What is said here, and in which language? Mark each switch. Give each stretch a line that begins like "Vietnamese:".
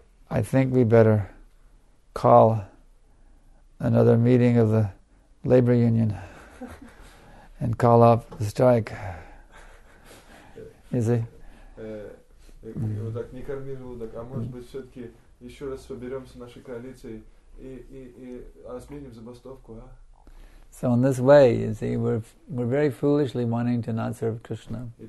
English: I think we better call another meeting of the labor union and call off the strike. You see?
Russian: Вот так не корми желудок, а может быть все-таки еще раз соберемся нашей коалицией и сменим забастовку, а?
English: So in this way, you see, we're very foolishly wanting to not serve Krishna.